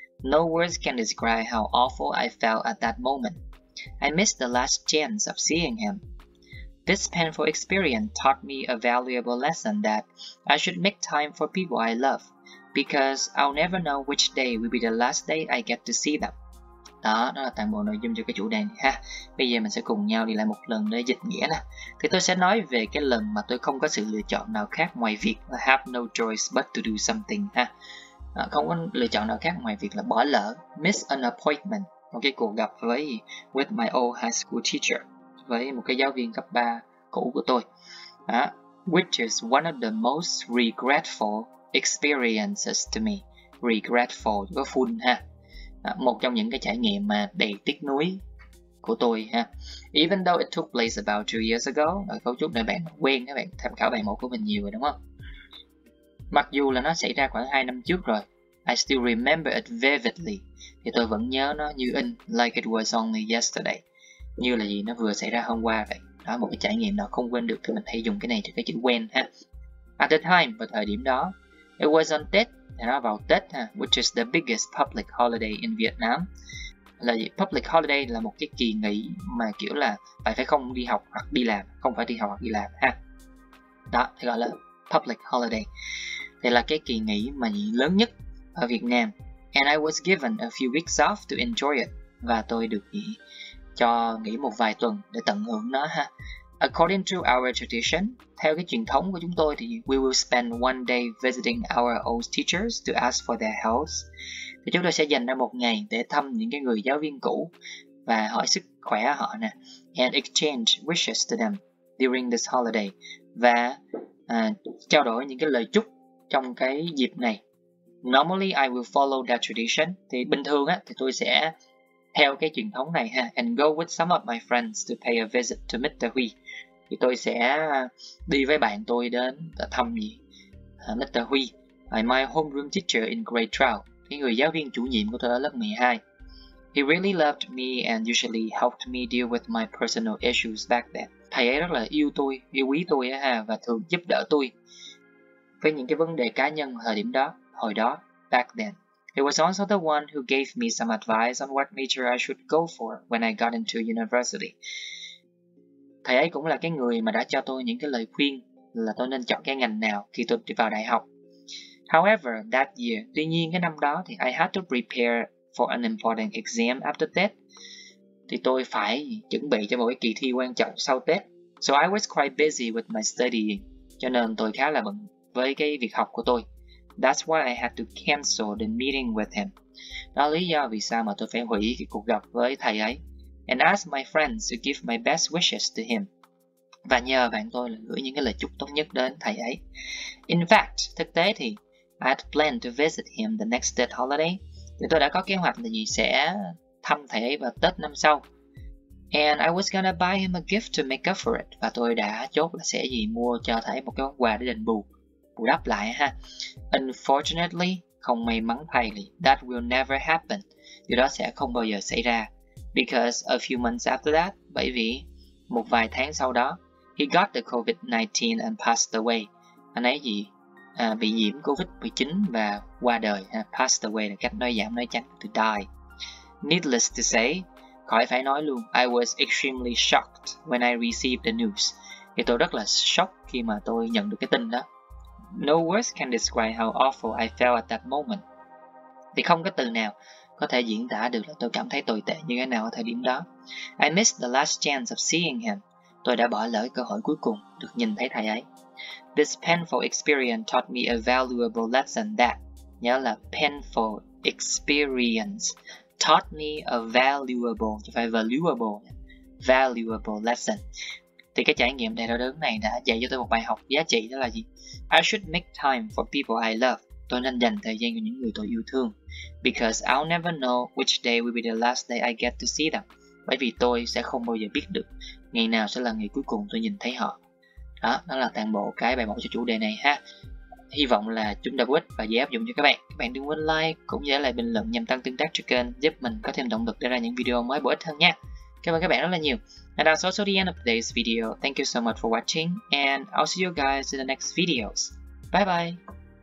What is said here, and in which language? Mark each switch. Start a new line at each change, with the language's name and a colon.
English: No words can describe how awful I felt at that moment. I missed the last chance of seeing him. This painful experience taught me a valuable lesson that I should make time for people I love, because I'll never know which day will be the last day I get to see them.
Vietnamese: Đó, đó là toàn bộ nội dung cho cái chủ đề này ha. Bây giờ mình sẽ cùng nhau đi lại một lần để dịch nghĩa nè. Thì tôi sẽ nói về cái lần mà tôi không có sự lựa chọn nào khác ngoài việc là
English: have no choice but to do something
Vietnamese: ha. Không có lựa chọn nào khác ngoài việc là bỏ lỡ,
English: miss an appointment,
Vietnamese: một cái cuộc gặp với
English: my old high school teacher.
Vietnamese: với một cái giáo viên cấp 3 cũ của tôi. Đó.
English: Which is one of the most regretful experiences to me.
Vietnamese: Regretful có full ha. Đó. Một trong những cái trải nghiệm mà đầy tiếc nuối của tôi ha.
English: Even though it took place about 2 years ago.
Vietnamese: Ở cấu trúc này bạn quen, các bạn tham khảo bài 1 của mình nhiều rồi đúng không? Mặc dù là nó xảy ra khoảng 2 năm trước rồi.
English: I still remember it vividly.
Vietnamese: Thì tôi vẫn nhớ nó như in,
English: like it was only yesterday.
Vietnamese: Như là gì nó vừa xảy ra hôm qua vậy. Đó, một cái trải nghiệm nó không quên được. Thì mình hay dùng cái này cho cái chữ quen ha.
English: At the time,
Vietnamese: vào thời điểm đó,
English: it was on Tết,
Vietnamese: nó vào Tết ha,
English: which is the biggest public holiday in Vietnam.
Vietnamese: Là gì? Public holiday là một cái kỳ nghỉ mà kiểu là phải không đi học hoặc đi làm, không phải đi học hoặc đi làm ha. Đó, thì gọi là public holiday. Thì là cái kỳ nghỉ mà lớn nhất ở Việt Nam.
English: And I was given a few weeks off to enjoy it.
Vietnamese: Và tôi được nghỉ, cho nghỉ một vài tuần để tận hưởng nó ha.
English: According to our tradition,
Vietnamese: theo cái truyền thống của chúng tôi thì
English: we will spend one day visiting our old teachers to ask for their health.
Vietnamese: Thì chúng tôi sẽ dành ra một ngày để thăm những cái người giáo viên cũ và hỏi sức khỏe họ nè.
English: And exchange wishes to them during this holiday.
Vietnamese: Và trao đổi những cái lời chúc trong cái dịp này.
English: Normally I will follow that tradition.
Vietnamese: Thì bình thường á thì tôi sẽ theo cái truyền thống này ha,
English: and go with some of my friends to pay a visit to Mr. Huy.
Vietnamese: Thì tôi sẽ đi với bạn tôi đến thăm gì Mr. Huy,
English: my homeroom teacher in grade 12,
Vietnamese: cái người giáo viên chủ nhiệm của tôi ở lớp 12.
English: He really loved me and usually helped me deal with my personal issues back then.
Vietnamese: Thầy ấy rất là yêu tôi, yêu quý tôi ha, và thường giúp đỡ tôi với những cái vấn đề cá nhân thời điểm đó, hồi đó,
English: back then. He was also the one who gave me some advice on what major I should go for when I got into university.
Vietnamese: Thầy ấy cũng là cái người mà đã cho tôi những cái lời khuyên là tôi nên chọn cái ngành nào khi tôi đi vào đại học.
English: However, that year,
Vietnamese: tuy nhiên cái năm đó thì
English: I had to prepare for an important exam after Tết.
Vietnamese: Thì tôi phải chuẩn bị cho một cái kỳ thi quan trọng sau Tết.
English: So I was quite busy with my studying.
Vietnamese: Cho nên tôi khá là bận với cái việc học của tôi.
English: That's why I had to cancel the meeting with him.
Vietnamese: Đó lý do vì sao mà tôi phải hủy cái cuộc gặp với thầy ấy.
English: And ask my friends to give my best wishes to him.
Vietnamese: Và nhờ bạn tôi là gửi những cái lời chúc tốt nhất đến thầy ấy.
English: In fact,
Vietnamese: thực tế thì
English: I had planned to visit him the next Tết holiday.
Vietnamese: Thì tôi đã có kế hoạch là gì sẽ thăm thầy ấy vào Tết năm sau.
English: And I was gonna buy him a gift to make up for it.
Vietnamese: Và tôi đã chốt là sẽ gì mua cho thầy một cái món quà để đền bù. Bù đắp lại ha.
English: Unfortunately,
Vietnamese: không may mắn thay thì
English: that will never happen.
Vietnamese: Điều đó sẽ không bao giờ xảy ra.
English: Because a few months after that,
Vietnamese: bởi vì một vài tháng sau đó,
English: he got the COVID-19 and passed away.
Vietnamese: Anh ấy gì? À, bị nhiễm COVID-19 và qua đời. Ha? Passed away là cách nói giảm nói tránh,
English: to die. Needless to say,
Vietnamese: khỏi phải nói luôn,
English: I was extremely shocked when I received the news.
Vietnamese: Thì tôi rất là shock khi mà tôi nhận được cái tin đó.
English: No words can describe how awful I felt at that moment.
Vietnamese: Thì không có từ nào có thể diễn tả được là tôi cảm thấy tồi tệ như thế nào ở thời điểm đó.
English: I missed the last chance of seeing him.
Vietnamese: Tôi đã bỏ lỡ cơ hội cuối cùng được nhìn thấy thầy ấy.
English: This painful experience taught me a valuable lesson that. Nhớ là painful experience taught me a valuable, chứ phải valuable, valuable lesson.
Vietnamese: Thì cái trải nghiệm đầy đau đớn này đã dạy cho tôi một bài học giá trị, đó là gì?
English: I should make time for people I love.
Vietnamese: Tôi nên dành thời gian cho những người tôi yêu thương.
English: Because I'll never know which day will be the last day I get to see them.
Vietnamese: Bởi vì tôi sẽ không bao giờ biết được ngày nào sẽ là ngày cuối cùng tôi nhìn thấy họ. Đó, đó là toàn bộ cái bài mẫu cho chủ đề này ha. Hy vọng là chúng ta quýt và dễ áp dụng cho các bạn. Các bạn đừng quên like cũng như lại bình luận nhằm tăng tương tác cho kênh, giúp mình có thêm động lực để ra những video mới bổ ích hơn nha. Cảm ơn các bạn rất là nhiều.
English: And that's also the end of today's video. Thank you so much for watching, and I'll see you guys in the next videos. Bye bye!